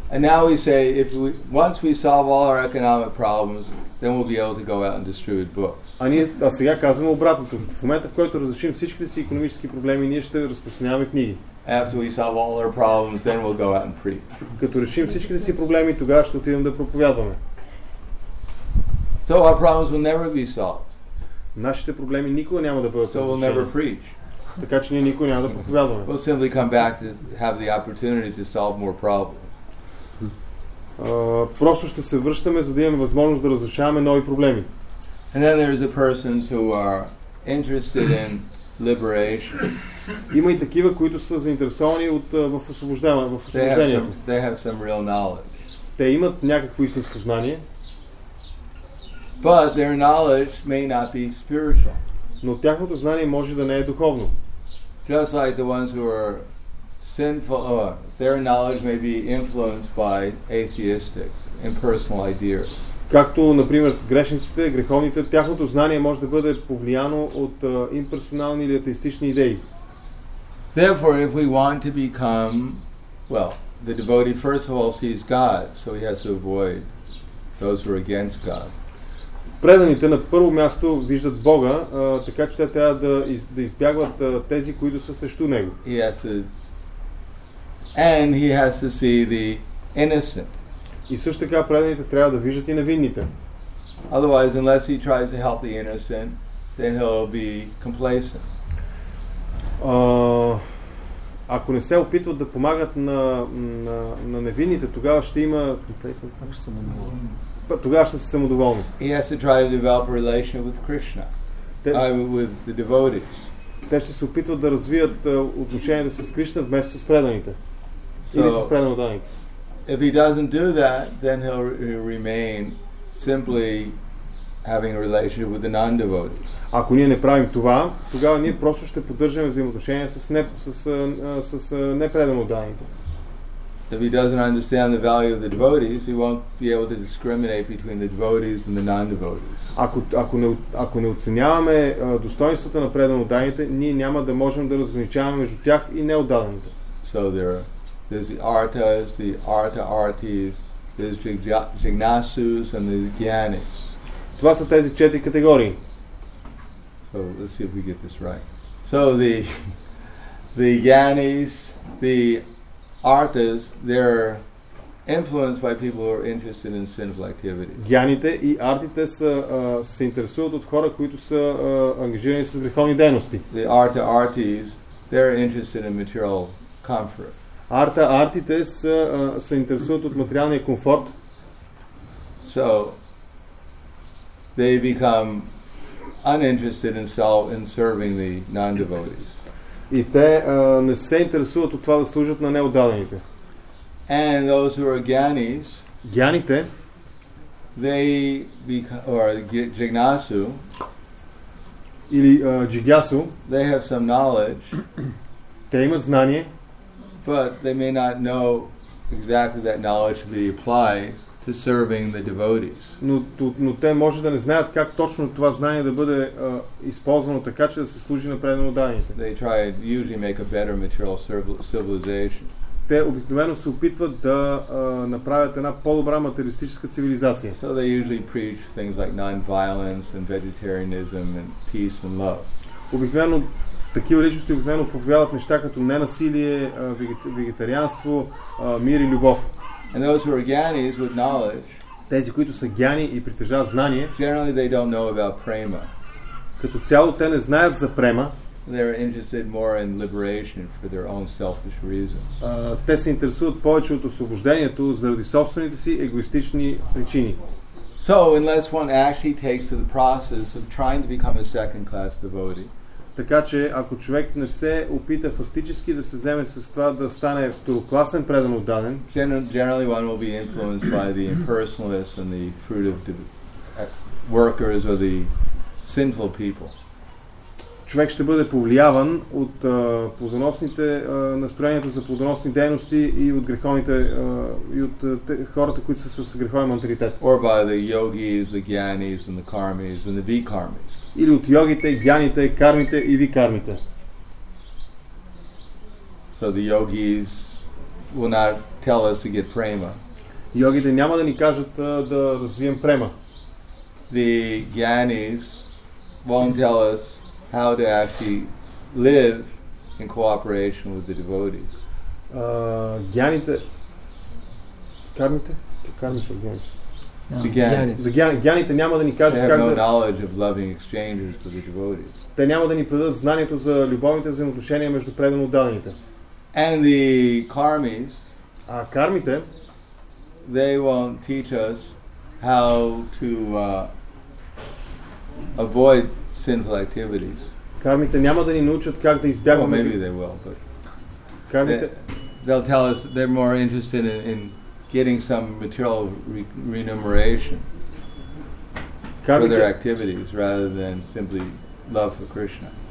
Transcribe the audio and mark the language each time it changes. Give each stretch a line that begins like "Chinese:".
English: And now we say, if we, once we solve all our economic problems, then we'll be able to go out and distribute books.
Bulgarian: А сега казваме обратното. В момента, в който разрешим всичките си икономически проблеми, ние ще разпространяваме книги.
English: After we solve all our problems, then we'll go out and preach.
Bulgarian: Като решим всичките си проблеми, тогава ще отидем да проповядваме.
English: So our problems will never be solved.
Bulgarian: Нашите проблеми никога няма да бъдат решени.
English: So we'll never preach.
Bulgarian: Така че ние никога няма да проповядваме.
English: We'll simply come back to have the opportunity to solve more problems.
Bulgarian: Просто ще се връщаме, за да имаме възможност да разрешаваме нови проблеми.
English: And then there is the persons who are interested in liberation.
Bulgarian: Има и такива, които са заинтересовани от освобождението.
English: They have some real knowledge.
Bulgarian: Те имат някакво истинско знание.
English: But their knowledge may not be spiritual.
Bulgarian: Но тяхното знание може да не е духовно.
English: Just like the ones who are sinful, their knowledge may be influenced by atheistic, impersonal ideas.
Bulgarian: Както, например, грешниците, греховните, тяхното знание може да бъде повлияно от имперсонални или атеистични идеи.
English: Therefore, if we want to become, well, the devotee first of all sees God, so he has to avoid those who are against God.
Bulgarian: Преданите на първо място виждат Бога, така че те трябва да избягват тези, които са срещу Него.
English: He has to, and he has to see the innocent.
Bulgarian: И също така преданите трябва да виждат и невинните.
English: Otherwise, unless he tries to help the innocent, then he'll be complacent.
Bulgarian: Ако не се опитват да помагат на невинните, тогава ще има
English: complacent.
Bulgarian: Тогава ще са самодоволни.
English: He has to try to develop a relationship with Krishna. With the devotees.
Bulgarian: Те ще се опитват да развият отношенията с Кришна вместо с преданите. Или с преданите.
English: If he doesn't do that, then he'll remain simply having a relationship with the non-devotees.
Bulgarian: Ако ние не правим това, тогава ние просто ще поддържаме взаимоотношения с непреданите.
English: If he doesn't understand the value of the devotees, he won't be able to discriminate between the devotees and the non-devotees.
Bulgarian: Ако не оценяваме достоинствата на преданите, ние няма да можем да разграничаваме между тях и неотдадените.
English: So there there's the artas, the arta-artis, there's the jignasus and the jnanis.
Bulgarian: Това са тези четири категории.
English: So let's see if we get this right. So the jnanis, the artas, they're influenced by people who are interested in sinful activity.
Bulgarian: Jnaните и артите се интересуват от хора, които са ангажирани с греховни дейности.
English: The arta-artis, they're interested in material comfort.
Bulgarian: Артите се интересуват от материалния комфорт.
English: So they become uninterested in serving the non-devotees.
Bulgarian: И те не се интересуват от това да служат на неотдадените.
English: And those who are jnanis,
Bulgarian: jnaните,
English: they become or jignasu,
Bulgarian: или jigyasu,
English: they have some knowledge.
Bulgarian: Те имат знание.
English: But they may not know exactly that knowledge to be applied to serving the devotees.
Bulgarian: Но те може да не знаят как точно това знание да бъде използвано така, че да се служи на преданите.
English: They try and usually make a better material civilization.
Bulgarian: Те обикновено се опитват да направят една по-добра материалистическа цивилизация.
English: So they usually preach things like non-violence and vegetarianism and peace and love.
Bulgarian: Обикновено такива личности обикновено проповядват неща като ненасилие, вегетарианство, мир и любов.
English: And those who are gyanis with knowledge,
Bulgarian: тези, които са гяни и притежават знание,
English: generally they don't know about prema.
Bulgarian: Като цяло те не знаят за према.
English: They're interested more in liberation for their own selfish reasons.
Bulgarian: Те се интересуват повече от освобождението заради собствените си егоистични причини.
English: So, unless one actually takes to the process of trying to become a second class devotee,
Bulgarian: така че ако човек не се опита фактически да се вземе с това да стане второкласен предан отдаден,
English: generally one will be influenced by the impersonalists and the fruit of the workers or the sinful people.
Bulgarian: Човек ще бъде повлияван от плодоносните настроения за плодоносни дейности и от греховните и от хората, които са с греховен менталитет.
English: Or by the yogis, the gyanis and the karmis and the vikarmis.
Bulgarian: Или от йогите, гяните, кармите и викармите.
English: So the yogis will not tell us to get prema.
Bulgarian: Йогите няма да ни кажат да развием према.
English: The gyanis won't tell us how to actually live in cooperation with the devotees.
Bulgarian: Гяните, кармите, кармите са гяните. Гяните няма да ни кажат как да
English: knowledge of loving exchanges with the devotees.
Bulgarian: Те няма да ни предадат знанието за любовните взаимоотношения между предано отдалените.
English: And the karmis,
Bulgarian: а кармите,
English: they won't teach us how to avoid sinful activities.
Bulgarian: Кармите няма да ни научат как да избягваме.
English: Well, maybe they will, but
Bulgarian: кармите,
English: they'll tell us they're more interested in getting some material remuneration for their activities rather than simply love for Krishna.